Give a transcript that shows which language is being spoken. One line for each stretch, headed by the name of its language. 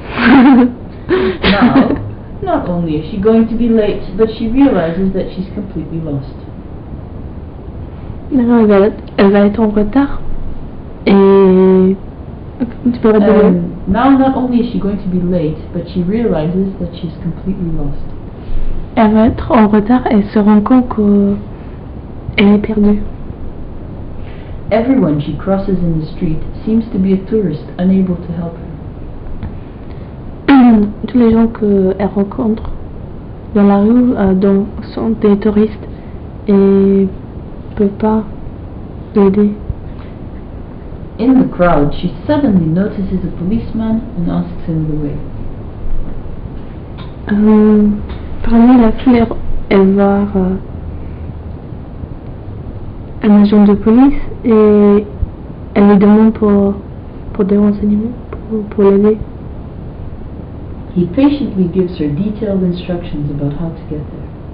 English: Now, not only is she going to be late, but she realizes that she's completely lost.
French: Non, elle va être en retard. Et tu peux redire.
English: Now, not only is she going to be late, but she realizes that she's completely lost.
French: Elle va être en retard et se rend compte qu'elle est perdue.
English: Everyone she crosses in the street seems to be a tourist unable to help her.
French: Tous les gens qu'elle rencontre dans la rue sont des touristes et ne peuvent pas l'aider.
English: In the crowd, she suddenly notices a policeman and asks him the way.
French: Parmi la fleur, elle va voir un agent de police et elle lui demande pour des renseignements, pour l'aider.
English: He patiently gives her detailed instructions about how to get there.